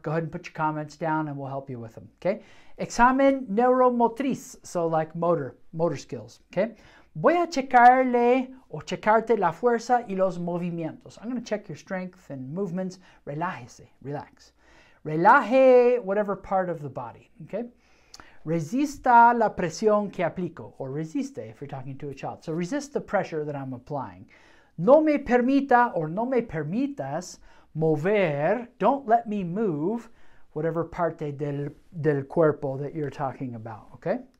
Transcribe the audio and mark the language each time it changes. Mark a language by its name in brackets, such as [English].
[English] Go ahead and put your comments down and we'll help you with them. Okay? Examen neuromotriz. So, like motor skills. Okay? [Spanish] Voy a checarle o checarte la fuerza y los movimientos. [English] I'm going to check your strength and movements. Relájese. Relax. Relaje whatever part of the body. Okay? [Spanish] Resista la presión que aplico, [English] or resiste if you're talking to a child. So resist the pressure that I'm applying. [Spanish] No me permita, or no me permitas, mover, [English] don't let me move, whatever [Spanish] parte del cuerpo [English] that you're talking about, okay?